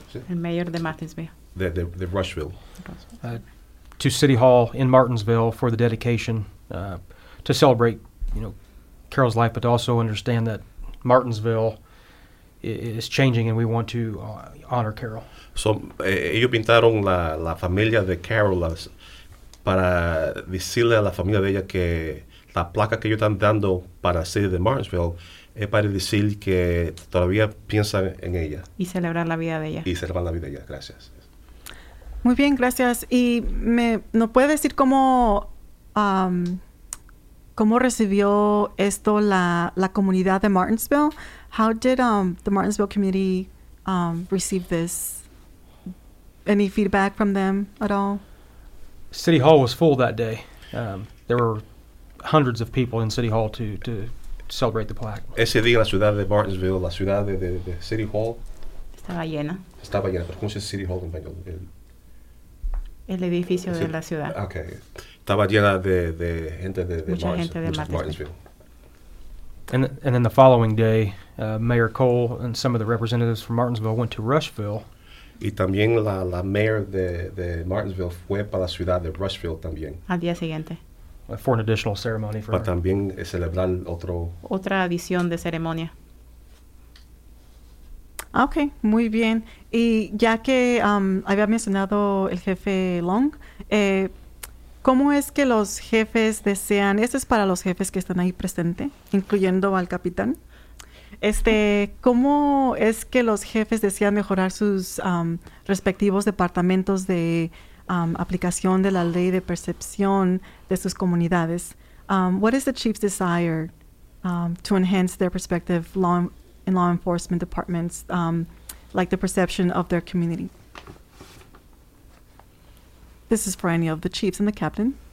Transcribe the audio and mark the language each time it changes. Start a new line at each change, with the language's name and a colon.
Spanish: ¿Sí? El mayor de Martinsville. De Rushville.
English: To City Hall in Martinsville for the dedication to celebrate, you know, Carol's life, but to also understand that Martinsville is changing and we want to honor Carol.
Spanish: So ellos pintaron la familia de Carol para decirle a la familia de ella que la placa que ellos están dando para la City de Martinsville es para decir que todavía piensan en ella. Y celebrar la vida de ella. Y celebrar la vida de ella. Gracias. Muy bien, gracias. Y ¿no puede decir cómo recibió esto la comunidad de Martinsville?
English: How did the Martinsville community receive this? Any feedback from them at all? City Hall was full that day. There were hundreds of people in City Hall to celebrate the plaque.
Spanish: Ese día en la ciudad de Martinsville, la ciudad de City Hall. Estaba llena. Estaba llena. ¿Pero cómo se dice City Hall en español? El edificio de la ciudad. Okay. Estaba llena de gente de mucha gente de Martinsville.
English: And then the following day, Mayor Cole and some of the representatives from Martinsville went to Rushville.
Spanish: Y también la mayor de Martinsville fue para la ciudad de Rushville también. Al día siguiente.
English: For an additional ceremony.
Spanish: Para también celebrar otro. Otra adición de ceremonia. Okay, muy bien. Y ya que había mencionado el jefe Long, ¿cómo es que los jefes desean? Esto es para los jefes que están ahí presentes, incluyendo al capitán. ¿Cómo es que los jefes desean mejorar sus respectivos departamentos de aplicación de la ley de percepción de sus comunidades?
English: What is the chief's desire to enhance their perspective in law enforcement departments, like the perception of their community? This is for any of the chiefs and the captain.